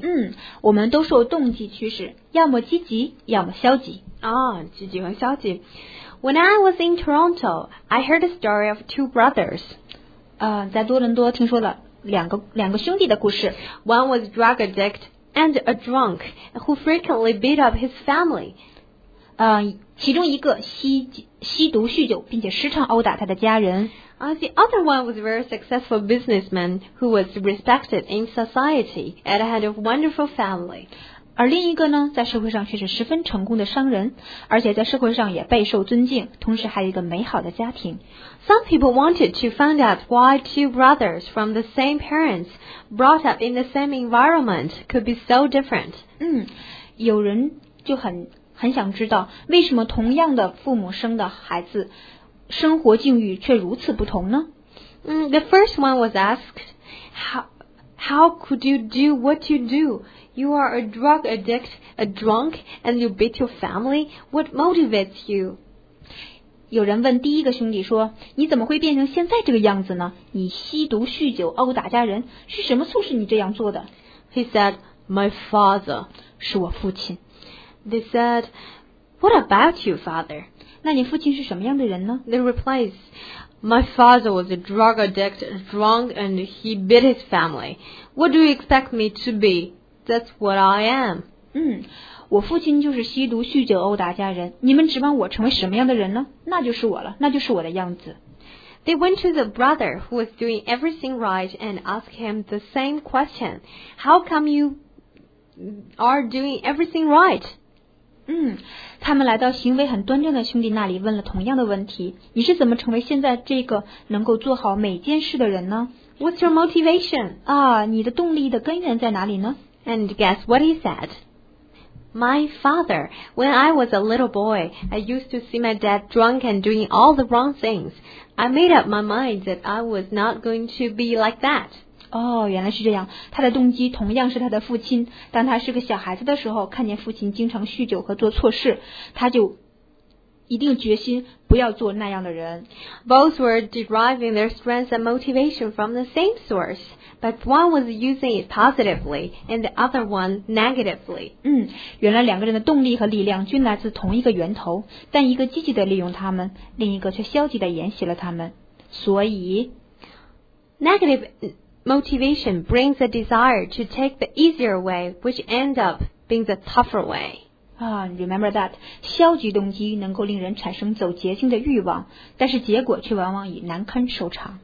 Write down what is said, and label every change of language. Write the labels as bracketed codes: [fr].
[zh] 嗯，我们都受动机驱使，要么积极，要么消极。啊、哦，积极和消极。 [en] When I was in Toronto, I heard a story of two brothers. [zh] 在多伦多听说了两个兄弟的故事。 [en] One was a drug addict and a drunk who frequently beat up his family. [zh] 其中一个吸毒酗酒，并且时常殴打他的家人。 [en] The other one was a very successful businessman who was respected in society and had a wonderful family. [zh] 而另一个呢，在社会上却是十分成功的商人，而且在社会上也备受尊敬，同时还有一个美好的家庭。 [en] Some people wanted to find out why two brothers from the same parents, brought up in the same environment, could be so different. [zh] 嗯，有人就很想知道，为什么同样的父母生的孩子，生活境遇却如此不同呢？ [en] 嗯，The first one was asked, How could you do what you do? You are a drug addict, a drunk, and you beat your family. What motivates you? [zh] 有人问第一个兄弟说，你怎么会变成现在这个样子呢？你吸毒酗酒殴打家人，是什么促使你这样做的？ [en] He said, my father. [zh] 是我父亲。 [en] They said, what about you, father? [zh] 那你父亲是什么样的人呢？ [en] They replied, my father was a drug addict, drunk, and he beat his family. What do you expect me to be? That's what I am. [zh] 我父亲就是吸毒、酗酒、殴打家人。你们指望我成为什么样的人呢？那就是我了，那就是我的样子。 [en] They went to the brother who was doing everything right and asked him the same question. How come you are doing everything right? [zh] 他们来到行为很端正的兄弟那里问了同样的问题。你是怎么成为现在这个能够做好每件事的人呢？ [en] What's your motivation? [zh] 你的动力的根源在哪里呢？ [en] And guess what he said? My father, when I was a little boy, I used to see my dad drunk and doing all the wrong things. I made up my mind that I was not going to be like that. [zh] 原来是这样。他的动机同样是他的父亲。当他是个小孩子的时候，看见父亲经常酗酒和做错事，他就一定决心不要做那样的人。 [en] Both were deriving their strength and motivation from the same source. But one was using it positively, and the other one negatively. [zh] 原来两个人的动力和力量均来自同一个源头，但一个积极地利用他们，另一个却消极地沿袭了他们。所以 [en] ，negative motivation brings a desire to take the easier way, which ends up being the tougher way. Remember that. [zh] 消极动机能够令人产生走捷径的欲望，但是结果却往往以难堪收场。